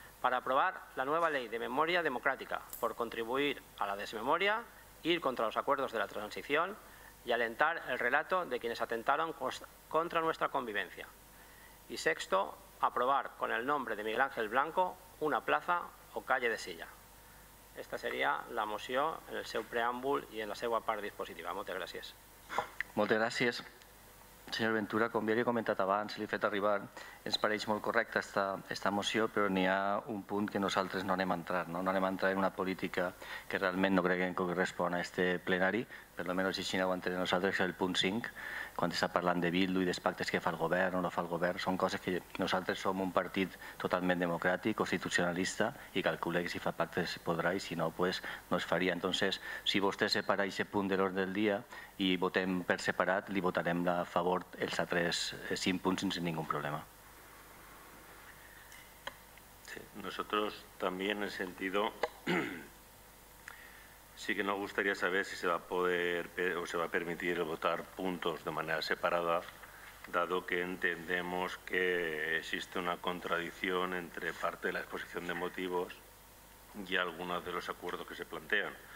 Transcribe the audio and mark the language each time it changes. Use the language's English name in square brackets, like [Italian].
[Spanish] para aprobar la nueva ley de memoria democrática por contribuir a la desmemoria, ir contra los acuerdos de la transición y alentar el relato de quienes atentaron contra nuestra convivencia. Y sexto, aprobar con el nombre de Miguel Ángel Blanco una plaza o calle de Silla. [Catalan] Esta sería la moció en el seu preàmbul i en la seva part dispositiva. Moltes gràcies. Moltes gràcies. Senyor Ventura, com ja li he comentat abans, li he fet arribar, ens pareix molt correcta esta moció, però n'hi ha un punt que nosaltres no anem a entrar, no? No anem a entrar en una política que realment no creguem que correspon a este plenari, per lo menos així no ho entenem nosaltres, el punt 5, quan està parlant de Bildu i dels pactes que fa el govern o no fa el govern, són coses que nosaltres som un partit totalment democràtic, constitucionalista, i calcula que si fa pactes podrà i si no, pues, no es faria. Entonces, si vostè separa aquest punt de l'ordre del dia i votem per separat, li votarem a favor els altres 5 punts sense ningun problema. [Spanish] Sí, nosotros también en sentido... Sí que nos gustaría saber si se va a poder o se va a permitir votar puntos de manera separada, dado que entendemos que existe una contradicción entre parte de la exposición de motivos y algunos de los acuerdos que se plantean.